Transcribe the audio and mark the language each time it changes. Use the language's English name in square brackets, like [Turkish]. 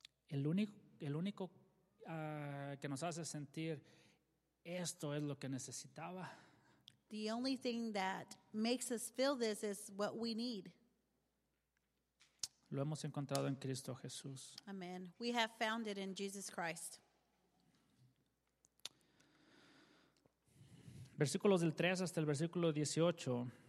[Spanish] El único que nos hace sentir esto es lo que necesitaba. [English] The only thing that makes us feel this is what we need. [Spanish] Lo hemos encontrado en Cristo Jesús. Amen. [English] We have found it in Jesus Christ. [Spanish] Versículos del 3 hasta el versículo 18.